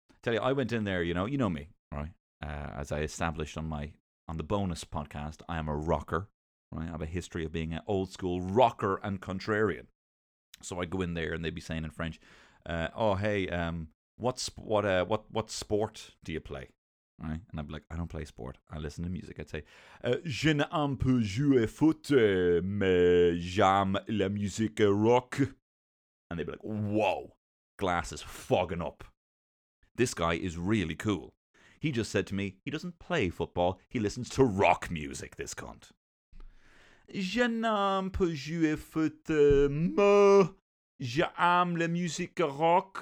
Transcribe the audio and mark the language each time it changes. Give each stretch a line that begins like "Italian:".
English: Tell you, I went in there, you know me, right? As I established on the bonus podcast, I am a rocker, right? I have a history of being an old school rocker and contrarian. So I go in there and they'd be saying in French, what sport do you play? Right? And I'd be like, I don't play sport. I listen to music.
French: I'd say, je ne un peu jouer foot, mais j'aime la musique rock.
English: And they'd be like, whoa, glasses fogging up. This guy is really cool. He just said to me, he doesn't play football. He listens to rock music, this cunt.
French: Je ne un peu jouer foot, mais j'aime la musique rock.